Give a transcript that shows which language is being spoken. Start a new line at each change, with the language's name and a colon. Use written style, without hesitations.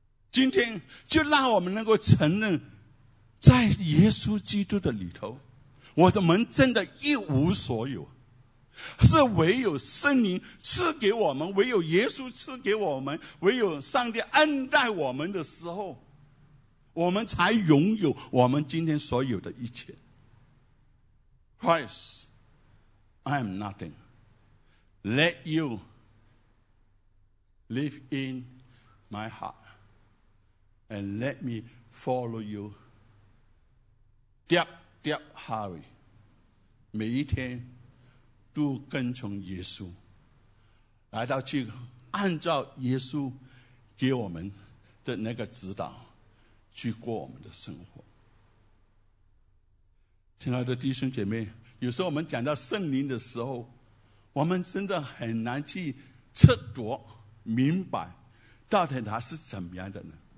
Chinese: 今天就让我们能够承认，在耶稣基督的里头，我们真的一无所有，是唯有圣灵赐给我们，唯有耶稣赐给我们，唯有上帝恩待我们的时候，我们才拥有我们今天所有的一切。
English: Christ, I am nothing. Let you live in my heart and let me follow you deep, deep hurry.
Chinese: 每一天都跟从耶稣，来到去按照耶稣给我们的那个指导去过我们的生活。亲爱的弟兄姐妹，有时候我们讲到圣灵的时候，我们真的很难去测度明白到底他是怎么样的呢？